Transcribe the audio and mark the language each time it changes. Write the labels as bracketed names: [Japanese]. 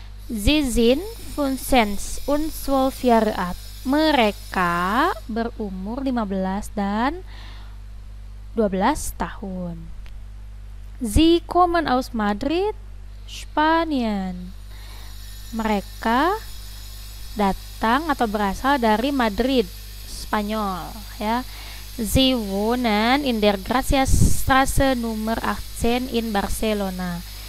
[German] Sie sind 15 und 12 Jahre alt. [Indonesian] Mereka berumur 15 dan 12 tahun. [German] Sie kommen aus Madrid, Spanien. [Indonesian] Mereka datang atau berasal dari Madrid, Spanyol, ja. [German] Sie wohnen in der Graciasstraße Nummer 18 in Barcelona.